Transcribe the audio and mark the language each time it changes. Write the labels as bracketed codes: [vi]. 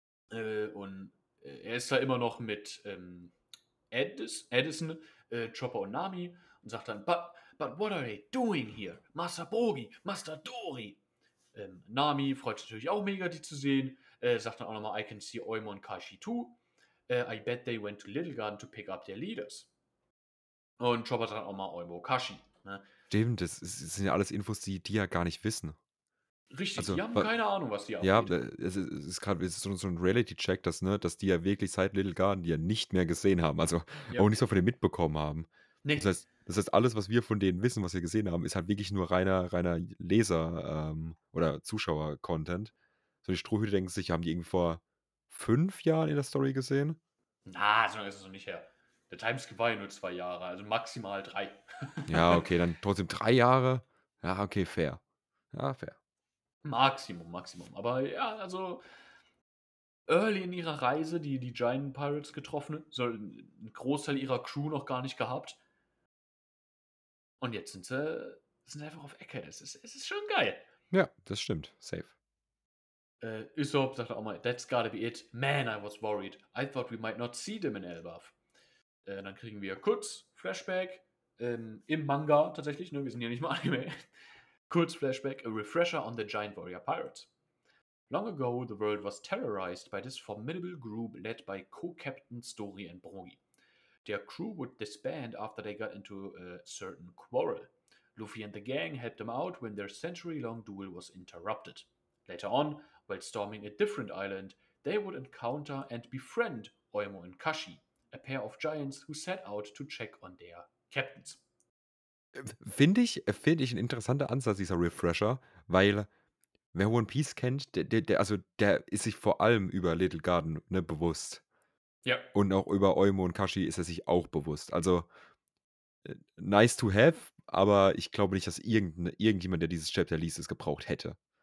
[de] Und er ist da immer noch mit Edison, Chopper und Nami und sagt dann, [en] but what are they doing here? [de] Master Brogi, Master Dori. Nami freut sich natürlich auch mega, die zu sehen. Sagt dann auch nochmal, [en] I can see Oimo und Kashi too. I bet they went to Little Garden to pick up their leaders. [de] Und Chopper sagt dann auch mal Oimo, Kashi. Ne? Stimmt, das sind ja alles Infos, die ja gar nicht wissen. Richtig, also, die haben keine Ahnung, was die haben. Ja, es ist so ein Reality-Check, dass, ne, dass die ja wirklich seit Little Garden die ja nicht mehr gesehen haben. Also ja. Auch nicht so von denen mitbekommen haben. Nee. Das heißt, alles, was wir von denen wissen, was wir gesehen haben, ist halt wirklich nur reiner Leser- oder Zuschauer-Content. So die Strohhüte denken sich, haben die irgendwie vor 5 Jahren in der Story gesehen? Na, so ist es noch nicht her. Der Timeskip war ja nur 2 Jahre, also maximal 3. Ja, okay, dann trotzdem 3 Jahre. Ja, okay, fair. Ja, fair. Maximum. Aber ja, also early in ihrer Reise, die Giant Pirates getroffen, so einen Großteil ihrer Crew noch gar nicht gehabt. Und jetzt sind sie einfach auf Ecke. Es ist schon geil. Ja, das stimmt. Safe. Usopp sagt auch mal, [en] that's gotta be it. Man, I was worried. I thought we might not see them in Elbaf. [de] Dann kriegen wir kurz Flashback im Manga tatsächlich. Ne? Wir sind ja nicht mal Anime. Kurz Flashback, [en] a refresher on the Giant Warrior Pirates. Long ago, the world was terrorized by this formidable group led by co-captains Dori and Brogi. Their crew would disband after they got into a certain quarrel. Luffy and the gang helped them out when their century-long duel was interrupted. Later on, while storming a different island, they would encounter and befriend Oimo and Kashi, a pair of giants who set out to check on their captains. [de] Finde ich ein interessanter Ansatz, dieser Refresher, weil wer One Piece kennt, der ist sich vor allem über Little Garden, ne, bewusst. Ja. Und auch über Oimo und Kashi ist er sich auch bewusst. Also, [en] nice to have, [de] aber ich glaube nicht, dass irgendjemand, der dieses Chapter liest, es gebraucht hätte.